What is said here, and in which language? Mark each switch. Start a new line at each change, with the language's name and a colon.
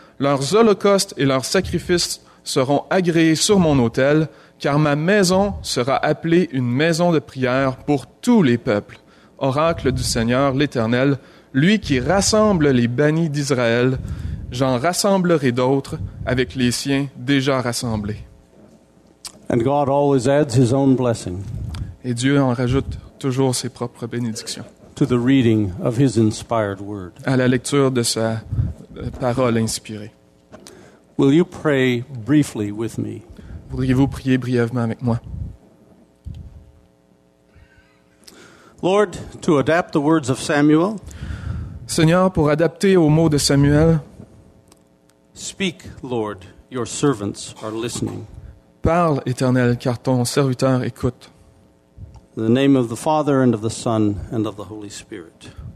French: Leurs holocaustes et leurs sacrifices seront agréés sur mon autel, car ma maison sera appelée une maison de prière pour tous les peuples. Oracle du Seigneur, l'Éternel, lui qui rassemble les bannis d'Israël, j'en rassemblerai d'autres avec les siens déjà rassemblés.
English: And God always adds his own blessing.
French: Et Dieu en rajoute toujours ses propres bénédictions.
English: To the reading of his inspired word.
French: À la lecture de sa parole inspirée.
English: Will you pray briefly with me?
French: Voudriez-vous prier brièvement avec moi?
English: Lord, to adapt the words of Samuel.
French: Seigneur, pour adapter aux mots de Samuel.
English: Speak, Lord, your servants are listening.
French: Parle, Éternel, car ton serviteur écoute.
English: In the name of the Father and of the Son and of the Holy Spirit.